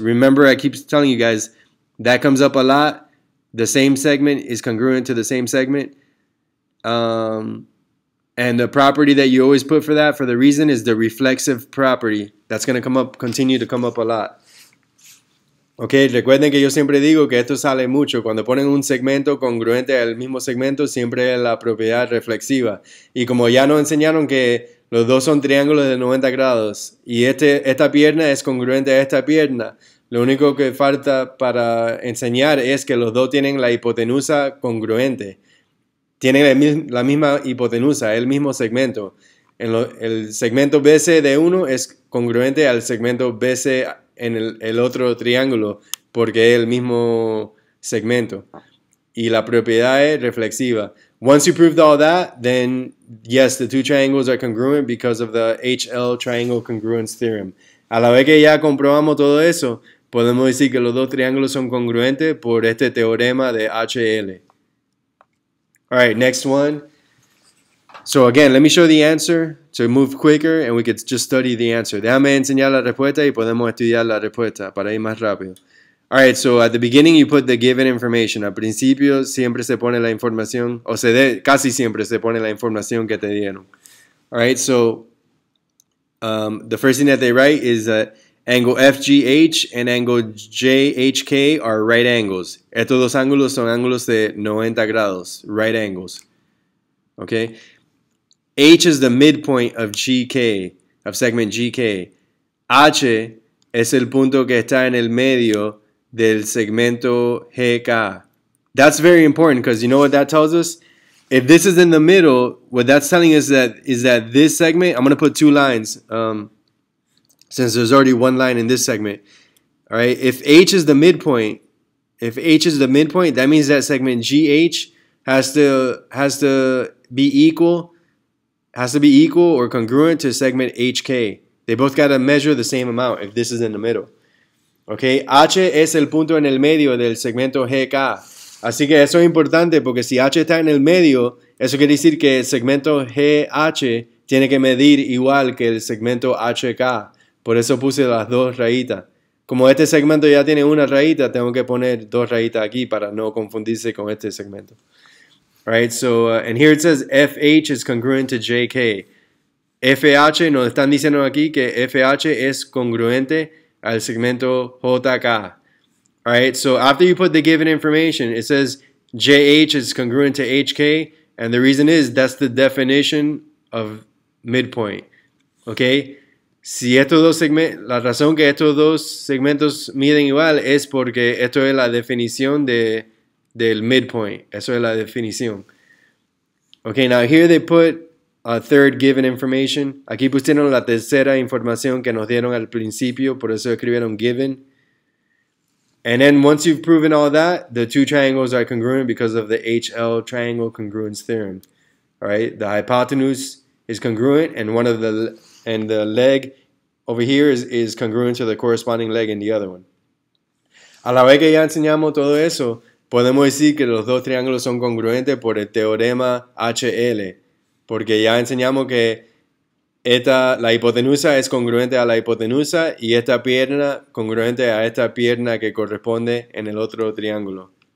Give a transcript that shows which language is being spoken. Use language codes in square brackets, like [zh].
[en] Remember, I keep telling you guys, that comes up a lot. The same segment is congruent to the same segment. And the property that you always put for that, for the reason, is the reflexive property. That's going to continue to come up a lot. [es] Okay, recuerden que yo siempre digo que esto sale mucho. Cuando ponen un segmento congruente al mismo segmento, siempre es la propiedad reflexiva. Y como ya nos enseñaron que los dos son triángulos de 90 grados, y esta pierna es congruente a esta pierna, lo único que falta para enseñar es que los dos tienen la hipotenusa congruente. tienen la misma hipotenusa, el mismo segmento. El segmento BC de uno es congruente al segmento BC en el otro triángulo, porque es el mismo segmento. Y la propiedad es reflexiva. [en] Once you proved all that, then yes, the two triangles are congruent because of the HL triangle congruence theorem. [es] A la vez que ya comprobamos todo eso, podemos decir que los dos triángulos son congruentes por este teorema de HL. [en] All right, next one. So again, let me show the answer to move quicker and we could just study the answer. [es] Déjame enseñar la respuesta y podemos estudiar la respuesta para ir más rápido. [en] All right, so at the beginning you put the given information. [es] Al principio siempre se pone la información, casi siempre se pone la información que te dieron. [en] All right, so the first thing that they write is that angle FGH and angle JHK are right angles. [es] Estos dos ángulos son ángulos de 90 grados, right angles. Okay? [en] H is the midpoint of GK, of segment GK. [es] H es el punto que está en el medio del segmento GK. [en] That's very important because you know what that tells us? If this is in the middle, what that's telling us is that this segment, I'm going to put two lines, since there's already one line in this segment. All right, if H is the midpoint, that means that segment GH has to be equal or congruent to segment HK. They both got to measure the same amount if this is in the middle. [es] Okay, H es el punto en el medio del segmento GK. Así que eso es importante porque si H está en el medio, eso quiere decir que el segmento GH tiene que medir igual que el segmento HK. Por eso puse las dos rayitas. Como este segmento ya tiene una rayita, tengo que poner dos rayitas aquí para no confundirse con este segmento. [en] All right, so, and here it says FH is congruent to JK. [es] FH, nos están diciendo aquí que FH es congruente al segmento JK. [en] Alright, so after you put the given information, it says JH is congruent to HK, and the reason is that's the definition of midpoint. Okay? [es] Si estos dos segmentos, la razón que estos dos segmentos miden igual es porque esto es la definición del midpoint. Eso es la definición. [en] Okay, now here they put a third given information. [es] Aquí pusieron la tercera información que nos dieron al principio, por eso escribieron given. [en] And then once you've proven all that, the two triangles are congruent because of the HL triangle congruence theorem. All right, the hypotenuse is congruent and the leg over here is congruent to the corresponding leg in the other one. [es] A la vez que ya enseñamos todo eso, podemos decir que los dos triángulos son congruentes por el teorema HL, porque ya enseñamos que la hipotenusa es congruente a la hipotenusa y esta pierna congruente a esta pierna que corresponde en el otro triángulo.